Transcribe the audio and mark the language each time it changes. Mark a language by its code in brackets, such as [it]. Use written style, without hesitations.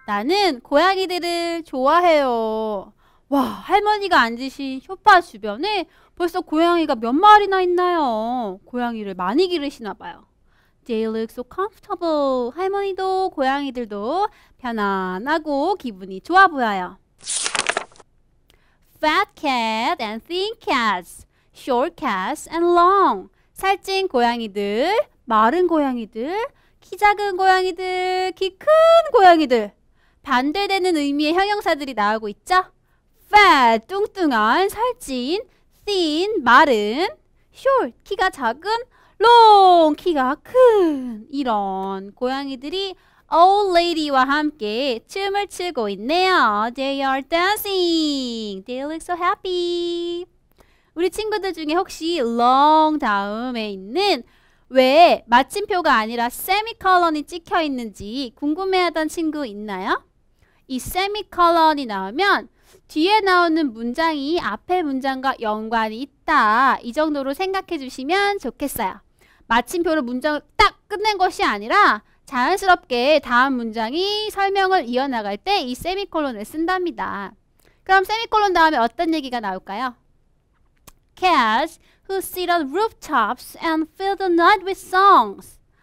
[ko] 나는 고양이들을 좋아해요. 와, 할머니가 앉으신 소파 주변에 벌써 고양이가 몇 마리나 있나요? 고양이를 많이 기르시나 봐요. [en] They look so comfortable. [ko] 할머니도 고양이들도 편안하고 기분이 좋아 보여요. [en] Fat cat and thin cats, short cats and long. [ko] 살찐 고양이들, 마른 고양이들, 키 작은 고양이들, 키 큰 고양이들. 반대되는 의미의 형용사들이 나오고 있죠? Fat, 뚱뚱한, 살찐, thin, 마른, short, 키가 작은, long, 키가 큰. 이런 고양이들이 old lady와 함께 춤을 추고 있네요. [en] They are dancing. They look so happy. [ko] 우리 친구들 중에 혹시 long 다음에 있는 왜 마침표가 아니라 semicolon이 찍혀 있는지 궁금해하던 친구 있나요? 이 semicolon이 나오면 뒤에 나오는 문장이 앞에 문장과 연관이 있다. 이 정도로 생각해 주시면 좋겠어요. 마침표로 문장을 딱 끝낸 것이 아니라 자연스럽게 다음 문장이 설명을 이어나갈 때 이 세미콜론을 쓴답니다. 그럼 세미콜론 다음에 어떤 얘기가 나올까요? [en] Cats who sit on rooftops and fill the night with songs.